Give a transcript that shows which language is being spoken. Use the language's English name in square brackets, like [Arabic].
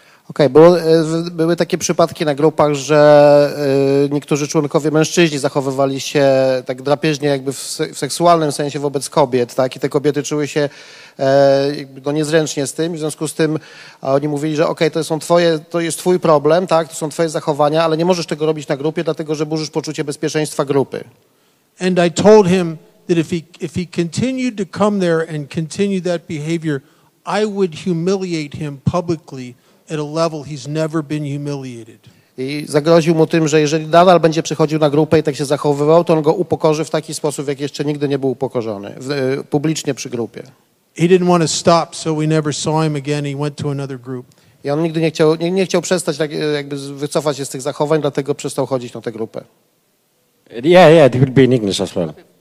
[Polish] Okej, były takie przypadki na grupach, że niektórzy członkowie mężczyźni zachowywali się tak drapieżnie jakby w seksualnym sensie wobec kobiet, tak? I te kobiety czuły się niezręcznie z tym. W związku z tym oni mówili, że okej, to jest twój problem, tak? To są twoje zachowania, ale nie możesz tego robić na grupie, dlatego że burzysz poczucie bezpieczeństwa grupy. [English] And I told him that if he continued to come there and continue that behavior, I would humiliate him publicly. At a level he's never been humiliated. [Polish] I zagroził mu tym, że jeżeli nadal będzie przychodził na grupę i tak się zachowywał, to on go upokorzy w taki sposób, jak jeszcze nigdy nie był upokorzony, publicznie przy grupie. [English] He didn't want to stop, so we never saw him again. He went to another group. [Polish] I on nigdy nie chciał przestać, jakby wycofać się z tych zachowań, dlatego przestał chodzić na tę grupę. [English] Yeah, it will be in English as well.